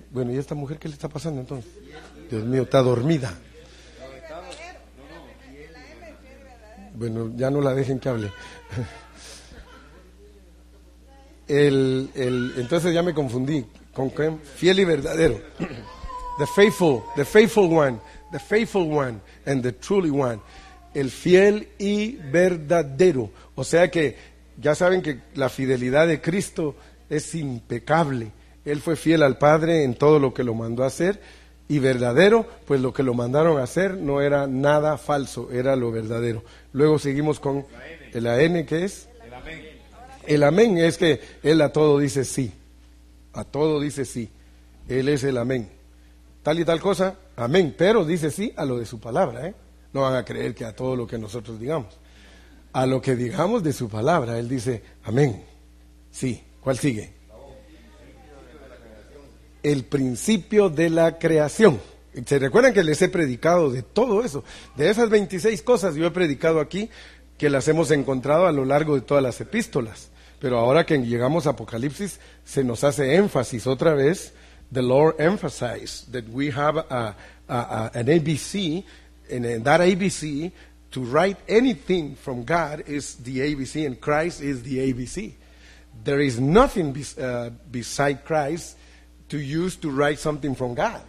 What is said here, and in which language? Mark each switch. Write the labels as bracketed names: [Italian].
[Spanish] Bueno, ¿y esta mujer qué le está pasando entonces? Dios mío, está dormida. Bueno, ya no la dejen que hable. Entonces ya me confundí. ¿Con qué? Fiel y verdadero. [English] The faithful one. The faithful one and the truly one. [Spanish] El fiel y verdadero. O sea que ya saben que la fidelidad de Cristo es impecable. Él fue fiel al Padre en todo lo que lo mandó a hacer. Y verdadero, pues lo que lo mandaron a hacer no era nada falso, era lo verdadero. Luego seguimos con el AN, ¿qué es? El amén. El amén es que Él a todo dice sí. A todo dice sí. Él es el amén. Tal y tal cosa, amén. Pero dice sí a lo de su palabra, ¿eh? No van a creer que a todo lo que nosotros digamos. A lo que digamos de su palabra, Él dice amén. Sí. ¿Cuál sigue? El principio de la creación. ¿Se recuerdan que les he predicado de todo eso? De esas 26 cosas yo he predicado aquí, que las hemos encontrado a lo largo de todas las epístolas. Pero ahora que llegamos a Apocalipsis, se nos hace énfasis otra vez. [English] The Lord emphasized that we have an ABC, and in that ABC, to write anything from God is the ABC, and Christ is the ABC. There is nothing beside Christ to use to write something from God.